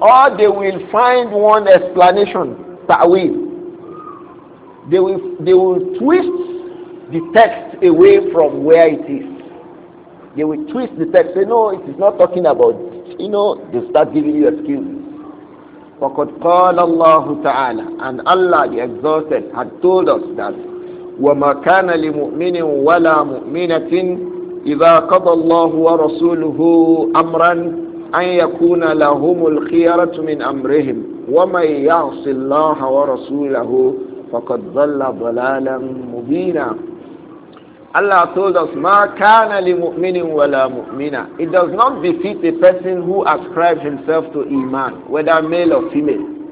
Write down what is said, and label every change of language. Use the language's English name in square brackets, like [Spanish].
[English] Or they will find one explanation. Away. They will twist the text away from where it is. They will twist the text. Say, no, it is not talking about it. You know, they start giving you excuses. [Arabic] فَقَدْ قَالَ اللَّهُ تَعَالَى. [English] And Allah the Exalted had told us that [Arabic] وَمَا كَانَ لِمُؤْمِنٍ وَلَا مُؤْمِنَةٍ إِذَا قَضَى اللَّهُ وَرَسُولُهُ أَمْرًا أَنْ يَكُونَ لَهُمُ الْخِيَرَةُ مِنْ أَمْرِهِمْ وَمَنْ يَعْصِ اللَّهَ وَرَسُولَهُ فَقَدْ ظَلَّ ضَلَالًا مُبِينًا. [English] Allah told us, [Arabic] مَا كَانَ لِمُؤْمِنٍ وَلَا مُؤْمِنًا. [English] It does not befit a person who ascribes himself to Iman, whether male or female.